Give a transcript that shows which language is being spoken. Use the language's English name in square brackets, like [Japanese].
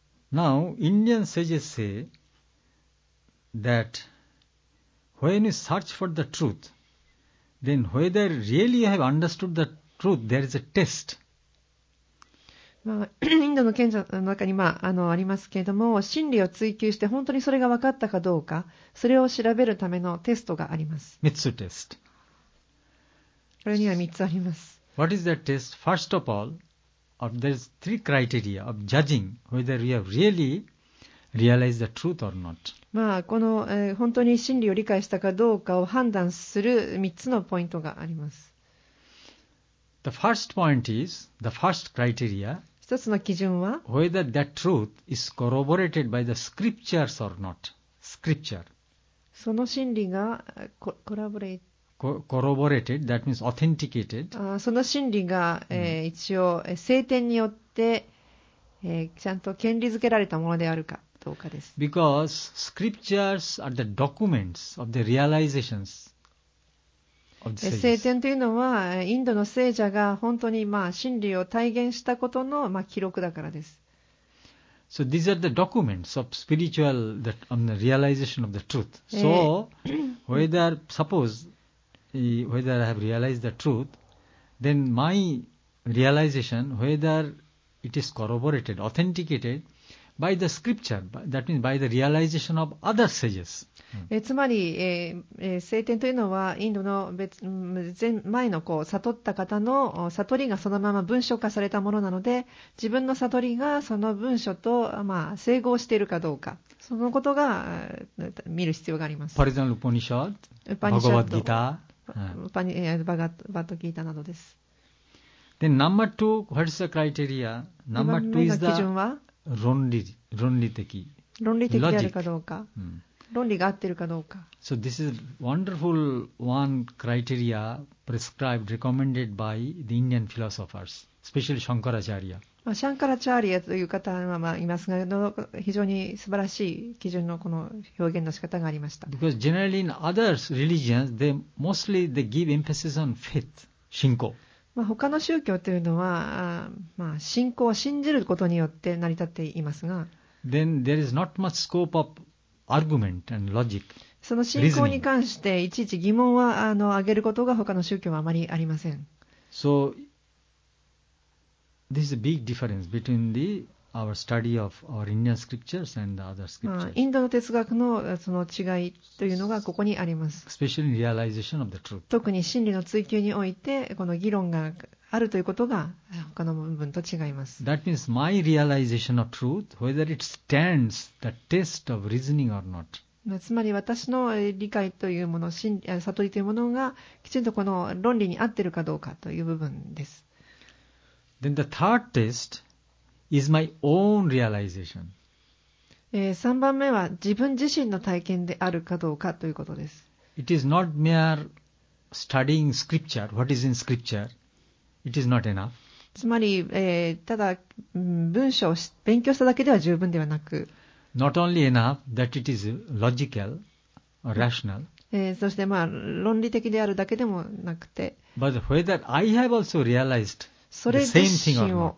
[English] Now, Indian sages say that when you search for the truth, then whether really you have understood the truth, there is a test. [Japanese] まあ、インドの賢者の中に、まあ、ありますけれども、真理を追求して本当にそれが分かったかどうか、それを調べるためのテストがあります。 3つテスト。これには3つあります。 [English] What is that test? First of all,There is three criteria of judging whether we have really realized the truth or not. [Japanese] まあ、この、本当に真理を理解したかどうかを判断する3つのポイントがあります。 [English] The first point is, the first criteria, [Japanese] 一つの基準は、 [English] whether that truth is corroborated by the scriptures or not. Scripture. [Japanese] その真理がコラボレート。 [English] Corroborated, that means authenticated. [Japanese] その真理が、一応聖典によって、ちゃんと権利づけられたものであるかどうかです。 [English] Because scriptures are the documents of the realizations of the sages. [Japanese] 聖典というのはインドの聖者が本当に、まあ、真理を体現したことの、まあ、記録だからです。 [English] So these are the documents of spiritual that on the realization of the truth. So whether suppose whether I have realized the truth, then my realization, whether it is corroborated, authenticated by the scripture, that means by the realization of other sages. [Japanese] つまり、聖典というのはインドの前のこう悟った方の悟りがそのまま文書化されたものなので、自分の悟りがその文書と、まあ、整合しているかどうか、そのことが見る必要があります。 [English] For example, Upanishad, Bhagavad Gita. [Japanese] バガットギータなどです。 [English] Then number two, what is the criteria? Number two is the 論理的。 [Japanese] 論理的であるかどうか。論理が合っているかどうか。 [English] So this is a wonderful one criteria prescribed, recommended by the Indian philosophers, especially Shankaracharya. [Japanese] Shankaracharya という方はまあいますが、非常に素晴らしい基準のこの表現の仕方がありました。 [English] Because generally in other religions, they mostly they give emphasis on faith, 信仰。 [Japanese] まあ、他の宗教というのは、まあ、信仰を信じることによって成り立っていますが、 [English] Then there is not much scope of argument and logic. [Japanese] その信仰に関していちいち疑問は挙げることが他の宗教はあまりありません。 [English] So, this is a big difference between the our study of our Indian scriptures and the other scriptures. [Japanese] インドの哲学のその違いというのがここにあります。 [English] Especially in realization of the truth. [Japanese] 特に真理の追求においてこの議論があるということが他の部分と違います。 [English] That means my realization of truth, whether it stands the test of reasoning or not. [Japanese] つまり私の理解というもの、悟りというものがきちんとこの論理に合っているかどうかという部分です。 [English] Then the third test is my own realization. [Japanese] 3番目は自分自身の体験であるかどうかということです。 [English] It is not mere studying scripture, what is in scripture. It is not enough. [Japanese] つまり、ただ文章を勉強しただけでは十分ではなく、 [English] Not only enough that it is logical or rational. [Japanese] そして論理的であるだけでもなくて、 [English] but whether I have also realized the same thing or not.